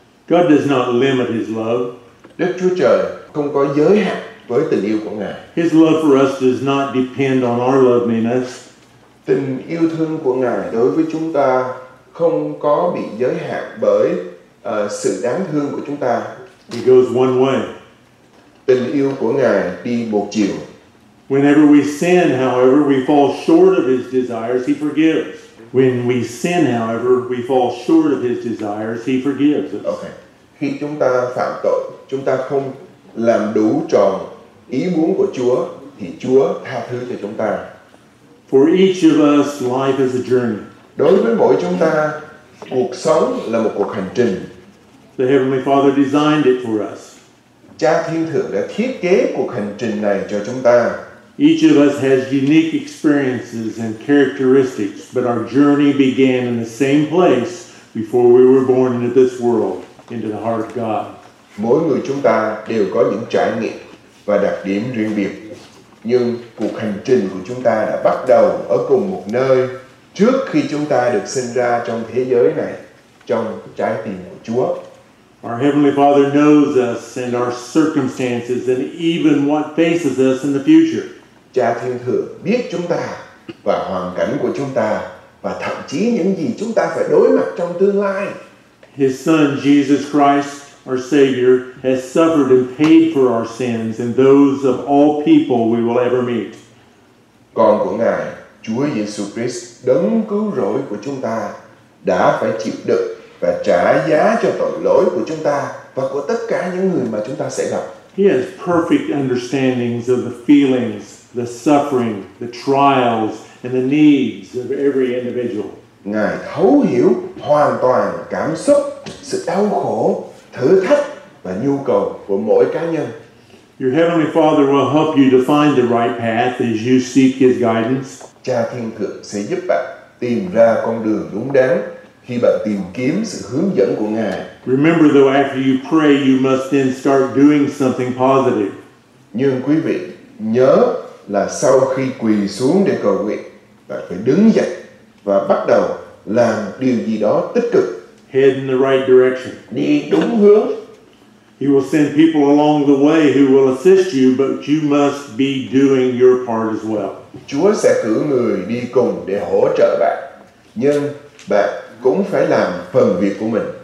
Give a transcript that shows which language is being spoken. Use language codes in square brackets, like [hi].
[en] God does not limit his love. [vi] Đức Chúa Trời không có giới hạn với tình yêu của Ngài. [en] His love for us does not depend on our loveliness. [vi] Tình yêu thương của Ngài đối với chúng ta không có bị giới hạn bởi sự đáng thương của chúng ta. [en] It goes one way. [vi] Tình yêu của Ngài đi một chiều. [en] Whenever we sin, however, we fall short of his desires, he forgives. When we sin, however, we fall short of his desires, he forgives us. Okay. [vi] Khi chúng ta phạm tội, chúng ta không làm đủ tròn ý muốn của Chúa, thì Chúa tha thứ cho chúng ta. [en] For each of us, life is a journey. [vi] Đối với mỗi chúng ta, cuộc sống là một cuộc hành trình. [en] The Heavenly Father designed it for us. [vi] Cha Thiên Thượng đã thiết kế cuộc hành trình này cho chúng ta. [en] Each of us has unique experiences and characteristics, but our journey began in the same place before we were born into this world, into the heart of God. [vi] Mỗi người chúng ta đều có những trải nghiệm và đặc điểm riêng biệt, nhưng cuộc hành trình của chúng ta đã bắt đầu ở cùng một nơi trước khi chúng ta được sinh ra trong thế giới này, trong trái tim của Chúa. [en] Our Heavenly Father knows us and our circumstances and even what faces us in the future. [vi] Cha Thiên Thượng biết chúng ta và hoàn cảnh của chúng ta và thậm chí những gì chúng ta phải đối mặt trong tương lai. [en] His Son, Jesus Christ, our Savior, has suffered and paid for our sins and those of all people we will ever meet. [vi] Con của Ngài, Chúa Giêsu Christ, đấng cứu rỗi của chúng ta đã phải chịu đựng và trả giá cho tội lỗi của chúng ta và của tất cả những người mà chúng ta sẽ gặp. [en] He has perfect understandings of the feelings, the suffering, the trials, and the needs of every individual. [vi] Ngài thấu hiểu hoàn toàn cảm xúc, sự đau khổ, thử thách và nhu cầu của mỗi cá nhân. [en] Your Heavenly Father will help you to find the right path as you seek His guidance. [vi] Cha Thiên Thượng sẽ giúp bạn tìm ra con đường đúng đắn khi bạn tìm kiếm sự hướng dẫn của Ngài. [en] Remember though, after you pray, you must then start doing something positive. [vi] Nhưng quý vị nhớ là sau khi quỳ xuống để cầu nguyện, bạn phải đứng dậy và bắt đầu làm điều gì đó tích cực. [en] Head in the right direction. [vi] Đi đúng hướng. [en] He will send people along the way who will assist you, but you must be doing your part as well. [vi] Chúa sẽ cử người đi cùng để hỗ trợ bạn, nhưng bạn cũng phải làm phần việc của mình.